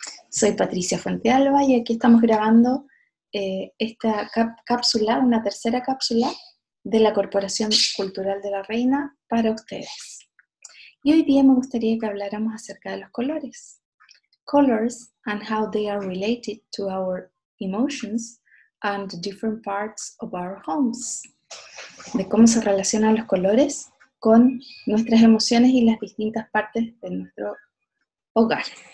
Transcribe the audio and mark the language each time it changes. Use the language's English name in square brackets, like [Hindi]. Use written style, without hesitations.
[Spanish] Soy Patricia Fuentealba y aquí estamos grabando esta cápsula, una tercera cápsula de la Corporación Cultural de la Reina para ustedes. Y hoy día me gustaría que habláramos acerca de los colores. [English] Colors and how they are related to our emotions and different parts of our homes. [Spanish] De cómo se relacionan los colores con nuestras emociones y las distintas partes de nuestro hogar.